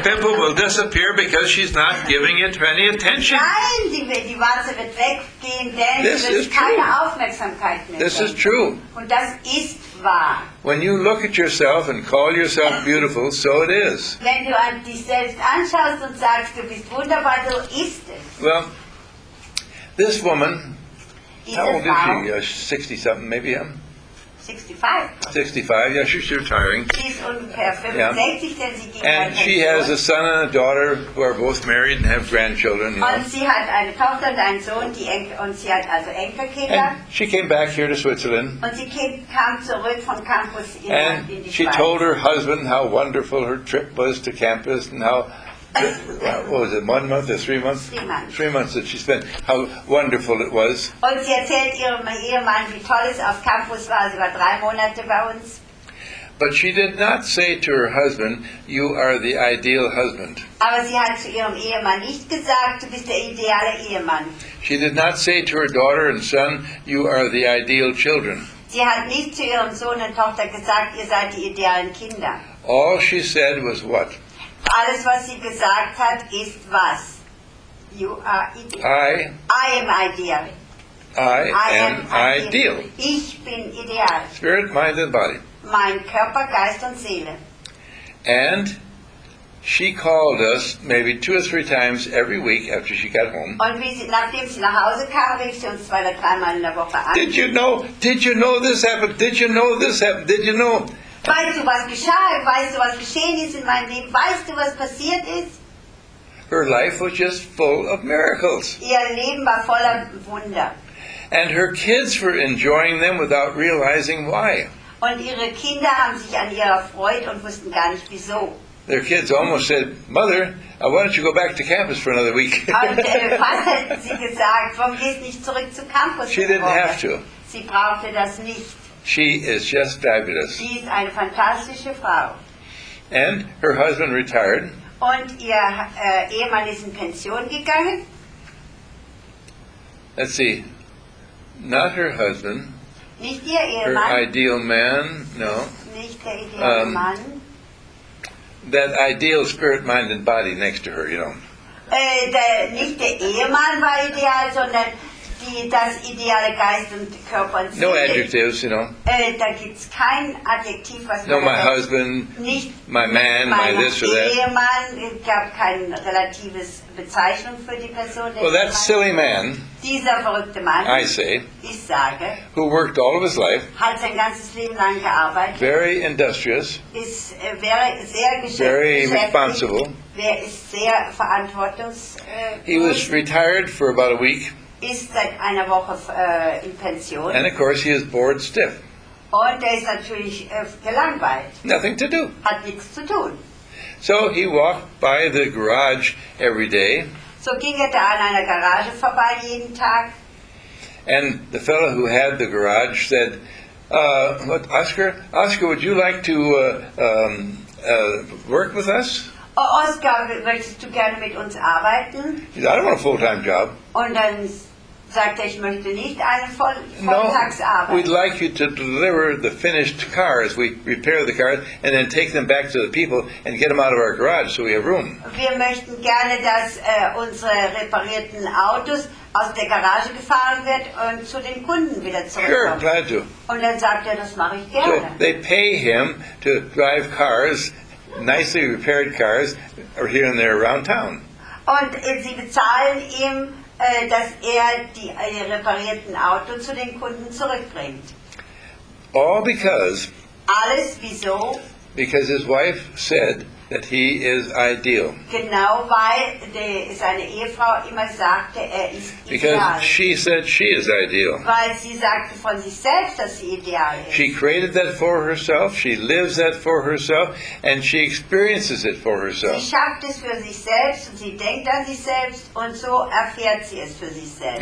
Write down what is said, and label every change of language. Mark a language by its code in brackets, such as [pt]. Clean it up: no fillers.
[en] The pimple will disappear because she's not giving it any attention. [de] Nein, die Warze wird weggehen, denn [en] this [de] sie wird keine [en] true. [de] Aufmerksamkeit mehr. [en] This is true. [de] Und das ist wahr. [en] When you look at yourself and call yourself beautiful, so it is. [de] Wenn du an dich selbst anschaust und sagst, du bist wunderbar, so ist es. [en] Well, this woman, [de] diese [en] how old [de] Frau, [en] is she? 60-something, maybe? 65, yeah, she's retiring. [de] She's ungefähr 65, yeah. Denn sie ging [en] and she has a son and a daughter who are both married and have grandchildren. [de] Und sie hat eine Tochter und einen Sohn, die und sie hat also Enkelkinder. [en] And she came back here to Switzerland. [de] Und sie kam zurück vom Campus in die Schweiz. [en] And she told her husband how wonderful her trip was to campus and how what was it, 1 month or 3 months? 3 months. 3 months that she spent, how wonderful it was. [de] Und sie erzählt ihrem Ehemann, wie toll es auf Campus war, sie war 3 Monate bei uns. [en] But she did not say to her husband, you are the ideal husband. [de] Aber sie hat zu ihrem Ehemann nicht gesagt, du bist der ideale Ehemann. [en] She did not say to her daughter and son, you are the ideal children. [de] Sie hat nicht zu ihrem Sohn und Tochter gesagt, ihr seid die idealen Kinder. [en] All she said was what? [de] Alles, was sie gesagt hat, ist was? [en] You are ideal. I am ideal. I am ideal. [de] Ich bin ideal. [en] Spirit, mind and body. [de] Mein Körper, Geist und Seele. [en] And she called us maybe 2 or 3 times every week after she got home. [de] Und wie sie, nachdem sie nach Hause kam, rief sie uns 2 oder 3 Mal in der Woche an. [en] Did you know this happened? Did you know? [de] Weißt du, was geschah? Weißt du, was geschehen ist in meinem Leben? Weißt du, was passiert ist? [en] Her life was just full of miracles. [de] Ihr Leben war voller Wunder. [en] And her kids were enjoying them without realizing why. [de] Und ihre Kinder haben sich an ihr erfreut und wussten gar nicht wieso. [en] Their kids almost said, Mother, why don't you go back to campus for another week? [de] Was hätten sie gesagt? Warum gehst du nicht zurück zu Campus? [en] She didn't have to. [de] Sie brauchte das nicht. [en] She is just fabulous. [de] Sie ist eine fantastische Frau. [en] And her husband retired. [de] Und ihr Ehemann ist in Pension gegangen. [en] Let's see. Not her husband. [de] Nicht ihr Ehemann. [en] Her ideal man. No. [de] Nicht der ideale Mann. [en] That ideal spirit, mind and body next to her, you know. [de] Nicht der Ehemann war ideal, sondern das ideale Geist und Körper und Seele. [en] No adjectives, you know. [de] Da gibt's kein Adjektiv, was [en] no, my husband, nicht my man, my this or that. [de] Ehemann, gab kein relatives Bezeichnung für die Person. [en] Well, that silly man, [de] dieser verrückte Mann, [en] I say, [de] ich sage, [en] who worked all of his life, [de] hat sein ganzes Leben lang gearbeitet, [en] very industrious, [de] ist sehr [en] very responsible, [de] ist sehr verantwortungs- [en] he was retired for about a week, [de] ist seit einer Woche in Pension. [en] And of course he is bored stiff. [de] Und ist natürlich gelangweilt. [en] Nothing to do. [de] Hat nichts zu tun. [en] So he walked by the garage every day. [de] So ging da an einer Garage vorbei jeden Tag. [en] And the fellow who had the garage said, Oscar, would you like to work with us? [de] Oh, Oscar, möchtest du gerne mit uns arbeiten? [en] He said, I don't want a full-time job. [de] Und dann sagt er, ich möchte nicht eine Volltagsarbeit. [en] No, we'd like you to deliver the finished cars. We repair the cars and then take them back to the people and get them out of our garage so we have room. [de] Wir möchten gerne, dass unsere reparierten Autos aus der Garage gefahren wird und zu den Kunden wieder zurückkommen. [en] Sure, glad to. [de] Und dann sagt er, das mache ich gerne. [en] So they pay him to drive cars, nicely repaired cars, here and there around town. [de] Und sie bezahlen ihm, dass die reparierten Autos zu den Kunden zurückbringt. [en] All because. [de] Alles wieso? [en] Because his wife said that he is ideal. [de] Genau, weil seine Ehefrau immer sagte, er ist ideal. [en] Because she said she is ideal. [de] Weil sie sagte von sich selbst, dass sie ideal ist. [en] She created that for herself, she lives that for herself, and she experiences it for herself. [de] Sie schafft es für sich selbst, und sie denkt an sich selbst, und so erfährt sie es für sich selbst.